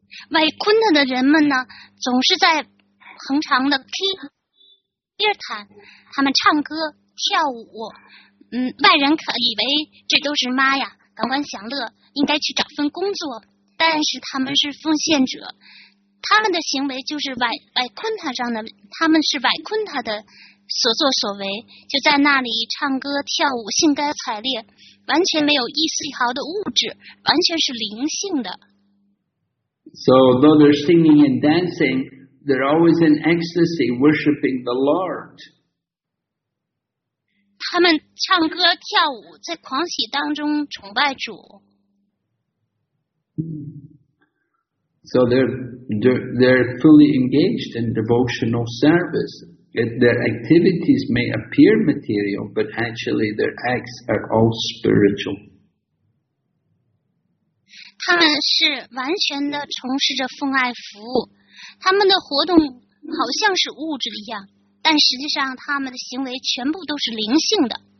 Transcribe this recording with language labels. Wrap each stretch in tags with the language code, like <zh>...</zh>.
<zh>Vaikuntha 的人们呢, 总是在恒常的 kirtan, 他们唱歌, 跳舞, 外人可以为这都是妈呀, 感官享乐, 应该去找份工作, 但是他们是奉献者, 他们的行为就是Vaikuntha上的, 他们是Vaikuntha的所作所为, 就在那里唱歌跳舞, 兴高采烈, 完全没有一丝一毫的物质, 完全是灵性的。</zh> <en>So though they're singing and dancing, they're always in ecstasy worshipping the Lord.</en> <zh>他们唱歌跳舞, 在狂喜当中崇拜主。</zh> <en>So they're fully engaged in devotional service. Their activities may appear material, but actually their acts are all spiritual.</en> <zh>他们是完全地从事着奉爱服务, 他们的活动好像是物质一样, 但实际上他们的行为全部都是灵性的。</zh>